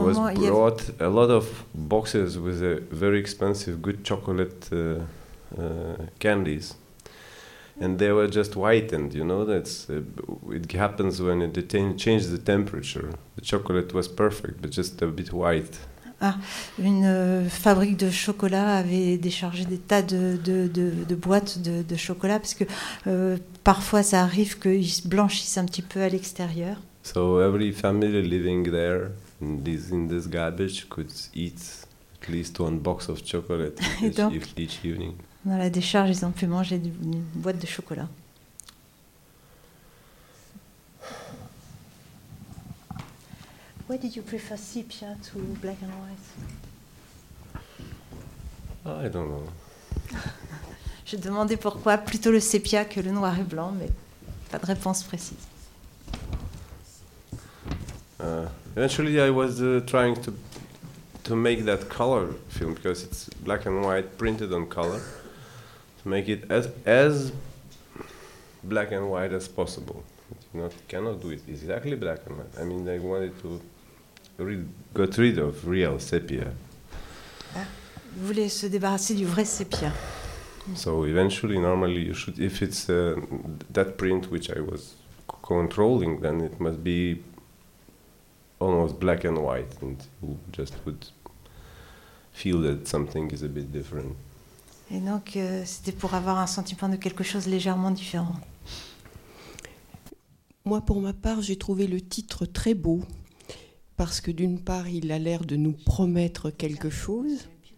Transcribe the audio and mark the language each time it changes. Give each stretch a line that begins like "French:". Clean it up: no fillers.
English: was brought a lot of boxes with a very expensive good chocolate candies. And they were just whitened, you know. That's it happens when it changes the temperature. The chocolate was perfect, but just a bit white.
French: Ah, une fabrique de chocolat avait déchargé des tas de boîtes de chocolat parce que parfois ça arrive qu'ils blanchissent un petit peu à l'extérieur.
English: So every family living there in this garbage could eat at least one box of chocolate each evening.
French: Dans la décharge, ils ont pu manger une boîte de chocolat.
English: Why did you prefer sepia to black and white? I don't know.
French: Je demandais pourquoi plutôt le sepia que le noir et blanc, mais pas de réponse précise.
English: Eventually, I was trying to make that color film because it's black and white printed on color. Make it as black and white as possible. Cannot do it exactly black and white. I mean, I wanted to get rid of real sepia.
French: Vous voulez se débarrasser du vrai sepia.
English: So eventually, normally, you should. If it's that print which I was controlling, then it must be almost black and white, and you just would feel that something is a bit different.
French: Et donc, c'était pour avoir un sentiment de quelque chose légèrement différent. Moi, pour ma part, j'ai trouvé le titre très beau, parce que d'une part, il a l'air de nous promettre quelque chose.